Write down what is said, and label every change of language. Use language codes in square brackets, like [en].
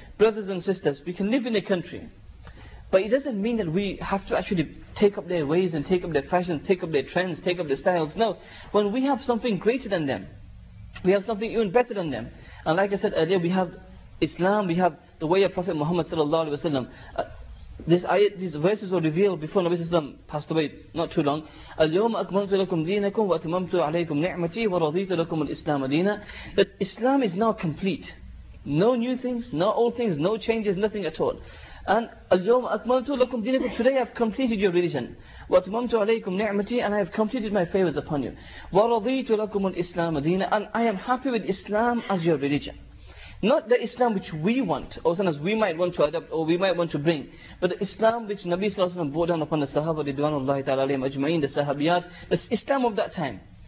[en] Brothers and sisters, we can live in a country, but it doesn't mean that we have to actually take up their ways and take up their fashions, take up their trends, take up their styles. No, when we have something greater than them, we have something even better than them. And like I said earlier, we have Islam, we have the way of Prophet Muhammad sallallahu alaihi wasallam. These verses were revealed before Nabi Sallallahu Alaihi Wasallam passed away, not too long. [ar] اليوم أكملت لكم دينكم وأتممت عليكم نعمتي ورضيت لكم الإسلام دينا. [en] That Islam is now complete. No new things, no old things, no changes, nothing at all. [ar] And اليوم أكملت لكم دينكم. [en] Today I've completed your religion. [ar] وأتممت عليكم نعمتي. [en] And I have completed my favors upon you. [ar] ورضيت لكم الإسلام دينا. [en] And I am happy with Islam as your religion. Not the Islam which we want, or sometimes we might want to adopt, or we might want to bring, but the Islam which Nabi Sallallahu Alaihi Wasallam brought down upon the Sahaba, Ridwanullahi Ta'ala Alayhim Ajma'in, the Sahabiyat, the Islam of that time.